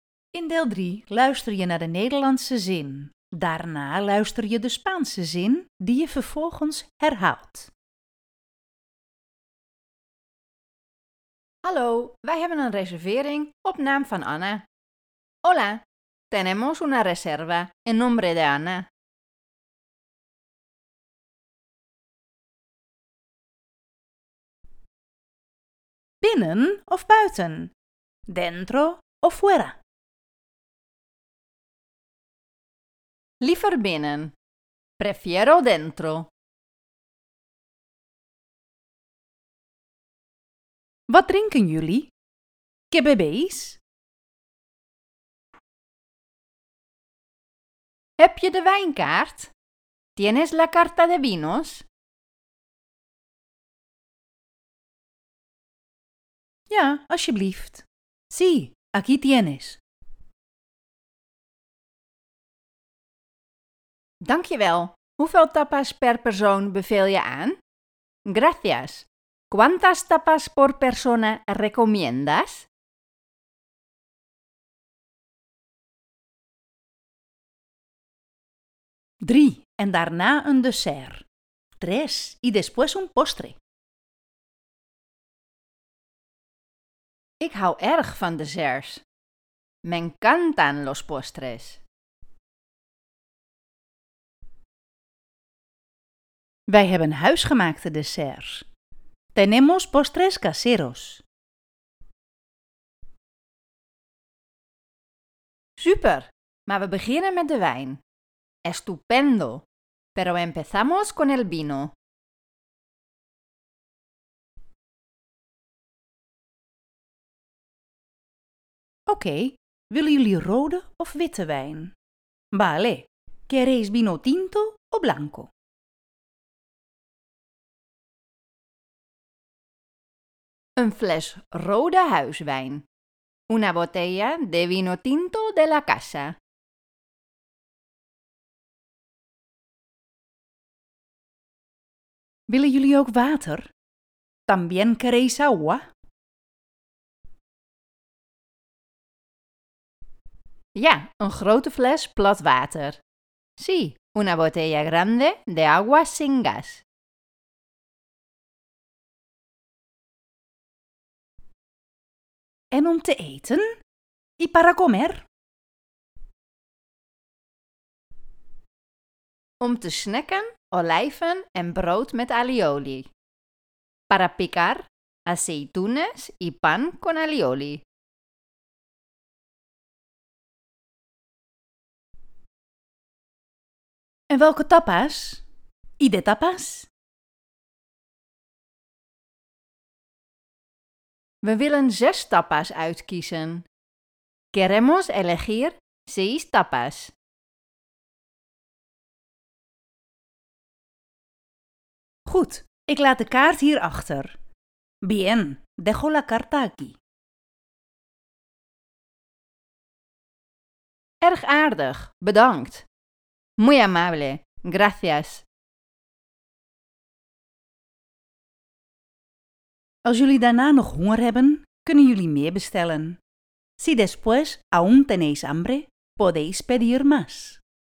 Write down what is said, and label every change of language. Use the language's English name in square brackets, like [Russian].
[Dutch] In deel 3 luister je naar de Nederlandse zin. Daarna luister je de Spaanse zin die je vervolgens herhaalt. Hallo, wij hebben een reservering op naam van Anna. [Spanish] Hola, tenemos una reserva en nombre de Anna. [Dutch] Binnen of buiten? [Spanish] Dentro of fuera? [Dutch] Liever binnen. [Spanish] Prefiero dentro. [Dutch] Wat drinken jullie? [Spanish] ¿Qué bebéis? [Dutch] Heb je de wijnkaart? [Spanish] ¿Tienes la carta de vinos? [Dutch] Ja, alsjeblieft. [Spanish] Sí, aquí tienes. [Dutch] Dankjewel. Hoeveel tapas per persoon beveel je aan? [Spanish] Gracias. ¿Cuántas tapas por persona recomiendas? [Dutch] Drie en daarna een dessert. [Spanish] Tres y después un postre. [Dutch] Ik hou erg van desserts. [Spanish] Me encantan los postres. [Dutch] Wij hebben huisgemaakte desserts. [Spanish] Tenemos postres caseros. [Dutch] Super, maar we beginnen met de wijn. [Spanish] Estupendo, pero empezamos con el vino. [Dutch] Oké, willen jullie rode of witte wijn? [Spanish] Vale, ¿queréis vino tinto o blanco? [Dutch] Een fles rode huiswijn. [Spanish] Una botella de vino tinto de la casa. [Dutch] Willen jullie ook water? [Spanish] También queréis agua? [Dutch] Ja, een grote fles plat water. [Spanish] Sí, una botella grande de agua sin gas. [Dutch] En om te eten? [Spanish] ¿Y para comer? [Dutch] Om te snacken, olijven en brood met alioli. [Spanish] Para picar, aceitunas y pan con alioli. [Dutch] En welke tapas? [Spanish] ¿Y de tapas? [Dutch] We willen 6 tapas uitkiezen. [Spanish] Queremos elegir 6 tapas. [Dutch] Goed, ik laat de kaart hier achter. [Spanish] Bien, dejo la carta aquí. [Dutch] Erg aardig, bedankt. [Spanish] Muy amable, gracias. [Dutch] Als jullie daarna nog honger hebben, kunnen jullie meer bestellen. [Spanish] Si después aún tenéis hambre, podéis pedir más.